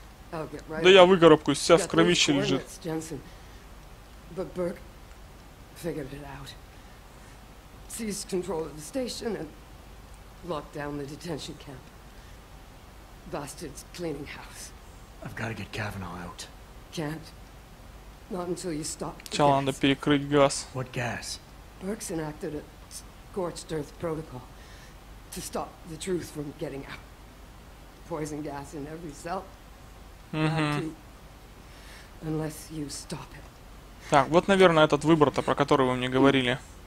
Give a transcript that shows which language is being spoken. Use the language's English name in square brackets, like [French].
[Russian] Да я выкарабкаюсь, вся в кровище лежит. [English] But Burke figured it out. Seized control of the station and locked down the detention camp. Bastard's cleaning house. I've got to get Kavanaugh out. Can't. Not until you stop the gas. [Russian] Надо перекрыть газ. [English] What gas? Burke's enacted a scorched earth protocol to stop the truth from getting out. Poison gas in every cell. Unless you stop it. [Russian] Так, вот, наверное, этот выбор-то, про который вы мне говорили.